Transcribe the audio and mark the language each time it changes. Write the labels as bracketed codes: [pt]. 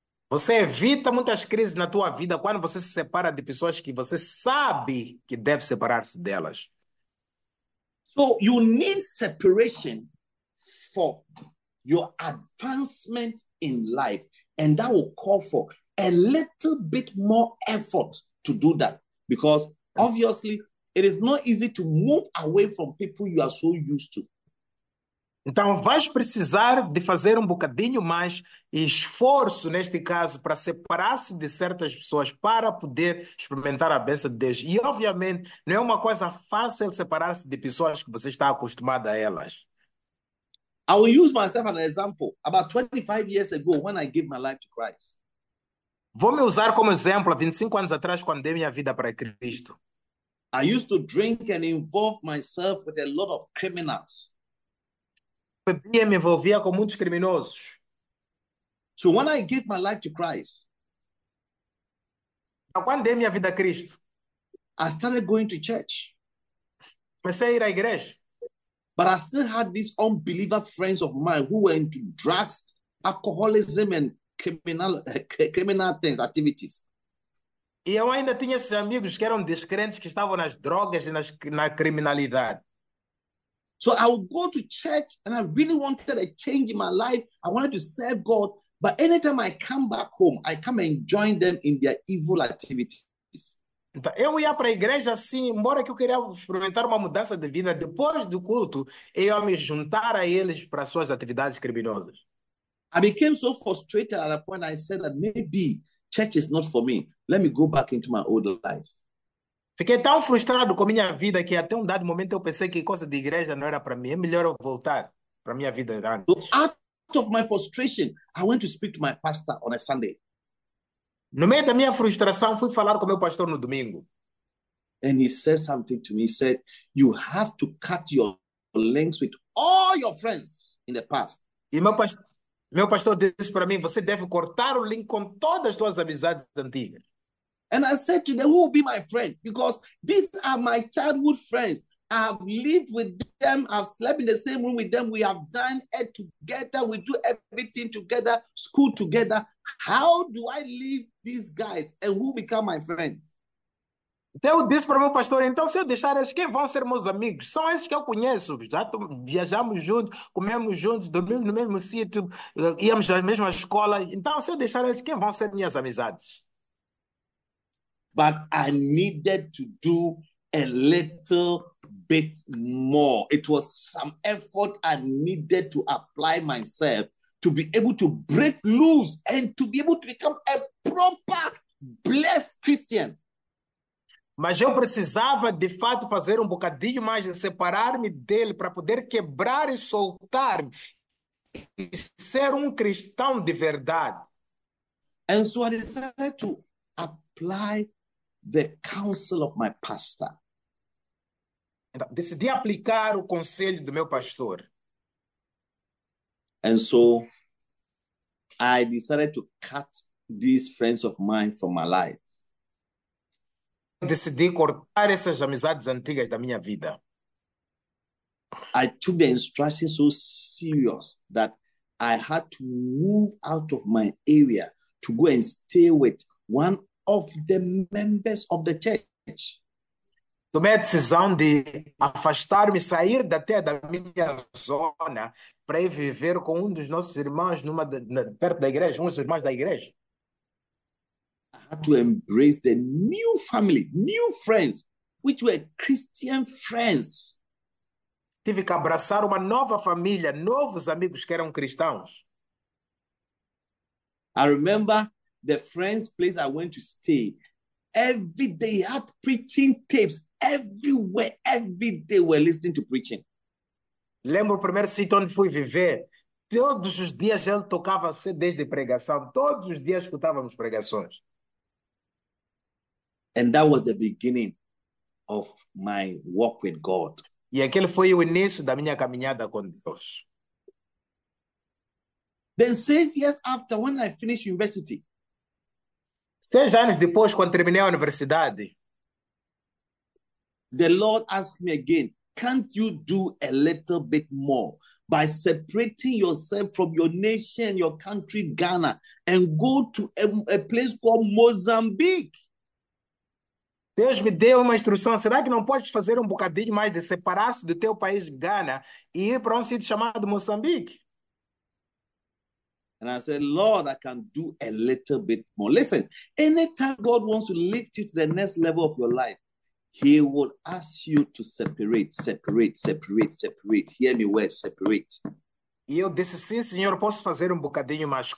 [pt] Você evita muitas crises na tua vida quando você se separa de pessoas que você sabe que deve separar-se delas. [en] So you need separation for your advancement in life. And that will call for a little bit more effort to do that. Because obviously, it is not easy to move away from people you are so used to. [pt] Então, vais precisar de fazer um bocadinho mais esforço, neste caso, para separar-se de certas pessoas para poder experimentar a bênção de Deus. E, obviamente, não é uma coisa fácil separar-se de pessoas que você está acostumado a elas. [en] I will use myself as an example. About 25 years ago, when I gave my life to Christ, [pt] Vou me usar como exemplo, há 25 anos atrás, quando dei minha vida para Cristo. [en] I used to drink and involve myself with a lot of criminals. [pt] Bebia, me envolvia com muitos criminosos. [en] So when I gave my life to Christ, [pt] Quando dei minha vida a Cristo, [en] I started going to church. [pt] comecei a ir à igreja. [en] But I still had these unbeliever friends of mine who were into drugs, alcoholism, and criminal things, activities. [pt] E eu ainda tinha esses amigos que eram descrentes, que estavam nas drogas e na criminalidade. [en] So I would go to church and I really wanted a change in my life. I wanted to serve God. But anytime I come back home, I come and join them in their evil activities. [pt] Então, eu ia para a igreja assim, embora que eu queria experimentar uma mudança de vida, depois do culto, eu ia me juntar a eles para suas atividades criminosas. [en] I became so frustrated at a point I said that maybe church is not for me. Let me go back into my old life. [pt] Fiquei tão frustrado com a minha vida que até um dado momento eu pensei que coisa de igreja não era para mim. É melhor eu voltar para minha vida [en] So [pt] antes. [en] out of my frustration, I went to speak to my pastor on a Sunday. [pt] No meio da minha frustração, fui falar com meu pastor no domingo. [en] And he said something to me. He said, you have to cut your links with all your friends in the past. [pt] E meu pastor disse para mim, você deve cortar o link com todas as suas amizades antigas. [en] And I said to them, who will be my friend? Because these are my childhood friends. I have lived with them. I've slept in the same room with them. We have done it together. We do everything together, school together. How do I leave these guys? And who become my friends? [pt] Então eu disse para o meu pastor, então se eu deixar esses, quem vão ser meus amigos? São esses que eu conheço. Já viajamos juntos, comemos juntos, dormimos no mesmo sítio, íamos à mesma escola. Então se eu deixar eles, quem vão ser minhas amizades? [en] But I needed to do a little bit more. It was some effort I needed to apply myself to be able to break loose and to be able to become a proper blessed Christian. [pt] Mas eu precisava, de fato, fazer um bocadinho mais de separar-me dele para poder quebrar e soltar-me e ser um cristão de verdade. [en] And so I decided to apply the counsel of my pastor. [pt] Então, decidi aplicar o conselho do meu pastor. [en] And so I decided to cut these friends of mine from my life. [pt] Decidi cortar essas amizades antigas da minha vida. [en] I took the instruction so serious that I had to move out of my area to go and stay with one of the members of the church. [pt] Tomei a decisão de afastar-me, sair até da minha zona para ir viver com um dos nossos irmãos perto da igreja, um dos irmãos da igreja. [en] To embrace the new family, new friends, which were Christian friends. [pt] Tive que abraçar uma nova família, novos amigos que eram cristãos. [en] I remember the friend's place I went to stay. Every day had preaching tapes everywhere. Every day we're listening to preaching. [pt] Lembro o primeiro sítio onde fui viver. Todos os dias ele tocava CDs de pregação. Todos os dias escutávamos pregações. [en] And that was the beginning of my walk with God. [pt] E aquele foi o início da minha caminhada com Deus. [en] Then 6 years after, when I finished university. [pt] 6 anos depois, quando terminei a universidade. [en] The Lord asked me again, can't you do a little bit more by separating yourself from your nation, your country, Ghana, and go to a place called Mozambique? [pt] Deus me deu uma instrução. Será que não podes fazer um bocadinho mais de separar-se do teu país, Ghana, e ir para um sítio chamado Moçambique? [en] And I said, Lord, I can do a little bit more. Listen, anytime God wants to lift you to the next level of your life, he will ask you to separate, separate, separate, separate. Hear me well, separate. [pt] E eu disse, sim, Senhor, posso fazer um bocadinho mais.